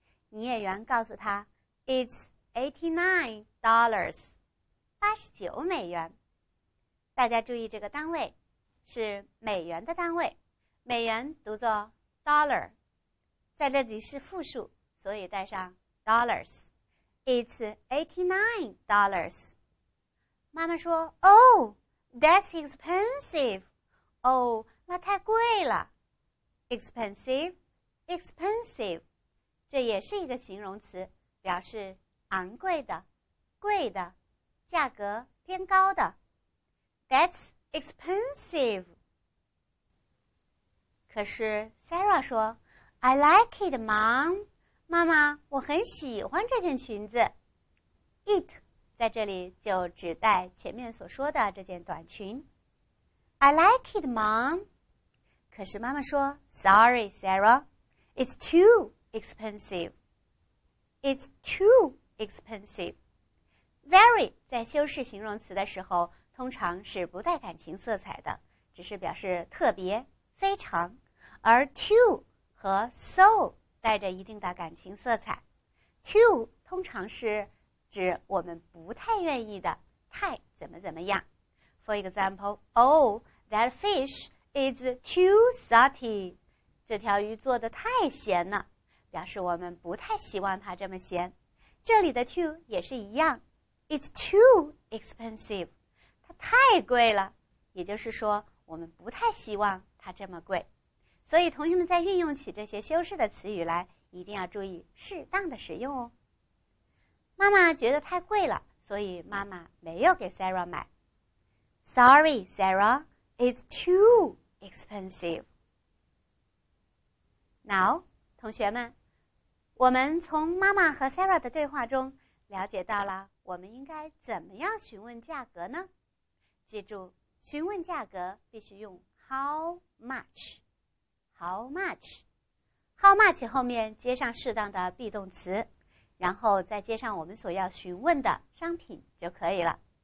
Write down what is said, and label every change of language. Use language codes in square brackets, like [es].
[zh] 营业员告诉他 [en] It's $89, [zh] 89美元。大家注意这个单位，是美元的单位，美元读作 dollar， 在这里是复数，所以带上 dollars。 [en] It's $89。 [zh] 妈妈说 [en] Oh, that's expensive. [zh] Oh, 那太贵了。 [en] Expensive, expensive, [zh] 这也是一个形容词，表示昂贵的、贵的、价格偏高的。 [en] That's expensive. [zh] 可是 [en] Sarah [zh] 说 [en] I like it, Mom. [zh] 妈妈，我很喜欢这件裙子。It 在这里就指代前面所说的这件短裙。 [en] I like it, Mom. [zh] 可是妈妈说 [en] Sorry, Sarah, it's too expensive. It's too expensive. [zh] Very 在修饰形容词的时候通常是不带感情色彩的，只是表示特别、非常，而 too 和 so 带着一定的感情色彩。 too 通常是指我们不太愿意的，太怎么怎么样。 [en] For example, Oh, that fish is too salty. [zh] 这条鱼做得太咸了，表示我们不太希望它这么咸。这里的 too 也是一样 ， [en] it's too expensive， [zh] 它太贵了，也就是说我们不太希望它这么贵。所以同学们在运用起这些修饰的词语来，一定要注意适当的使用哦。妈妈觉得太贵了，所以妈妈没有给 Sarah 买。 [en] Sorry, Sarah, it's too expensive. [zh] Now, 同学们，我们从妈妈和 Sarah 的对话中了解到了我们应该怎么样询问价格呢？记住，询问价格必须用 [en] how much, how much, how much [zh] 后面接上适当的 be 动词，然后再接上我们所要询问的商品就可以了。